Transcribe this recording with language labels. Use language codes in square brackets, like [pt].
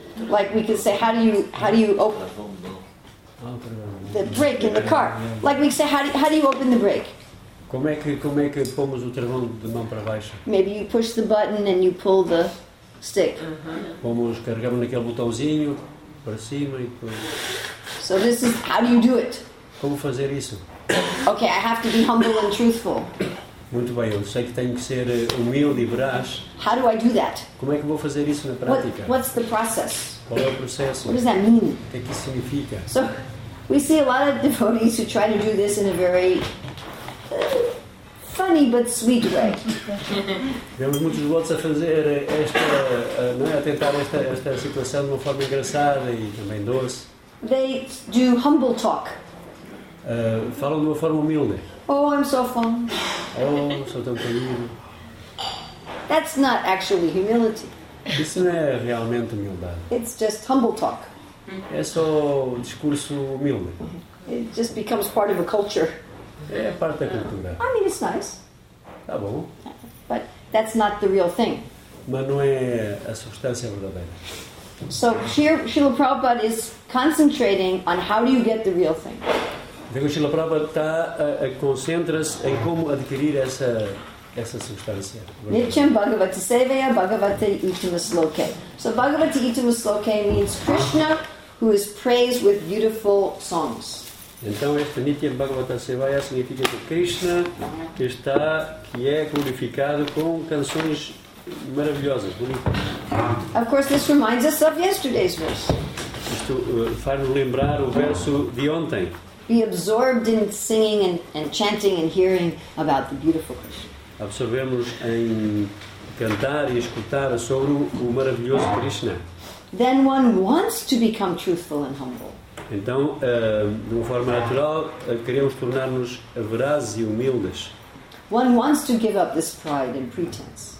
[en] Like we can say, how do you open the brake in the car? Like we say, how do you open the brake? [pt] Como é que pomos o travão de mão para baixo? [en] Maybe you push the button and you pull the stick. [pt] Pomos, carregamos naquele botãozinho para cima e depois. [en] So this is how do you do it? [pt] Como fazer isso? [en] Okay, I have to be humble and truthful. [pt] Muito bem, eu sei que tenho que ser humilde e veraz. [en] How do I do that? [pt] Como é que vou fazer isso na prática? [en] What's the process? [pt] Qual é o processo? [en] What does that mean? [pt] O que é que isso significa? [en] So, we see a lot of devotees who try to do this in a very funny but sweet way. [pt] Vemos muitos devotos a fazer esta, não é? A tentar esta situação de uma forma engraçada e também doce. [en] They do humble talk. [pt] Falam de uma forma humilde. [en] Oh, I'm so fun. [pt] Oh, sou tão querido. [en] That's not actually humility. [pt] Isso não é realmente humildade. [en] It's just humble talk. [pt] É só discurso humilde. [en] It just becomes part of a culture. [pt] É parte da cultura. [en] I mean, it's nice. [pt] Tá bom. [en] But that's not the real thing. [pt] Mas não é a substância verdadeira. [en] So here, Srila Prabhupada is concentrating on how do you get the real thing. [pt] Então, Srila Prabhupada está a concentra-se em como adquirir essa substância. [sa] Nityam Bhagavata Seveya Bhagavata Itama Sloke. [en] So Bhagavata Itama Sloke means Krishna who is praised with beautiful songs. [pt] Então este Nityam Bhagavata Seveya significa que Krishna está, que é glorificado com canções maravilhosas, bonitas. [en] Of course this reminds us of yesterday's verse. [pt] Isto faz-nos lembrar o verso de ontem. [en] Be absorbed in singing and chanting and hearing about the beautiful Krishna. [pt] Absorvemos em cantar e escutar sobre o maravilhoso Krishna. [en] Then one wants to become truthful and humble. [pt] Então, de uma forma natural, queremos tornar-nos verazes e humildes. [en] One wants to give up this pride and pretense.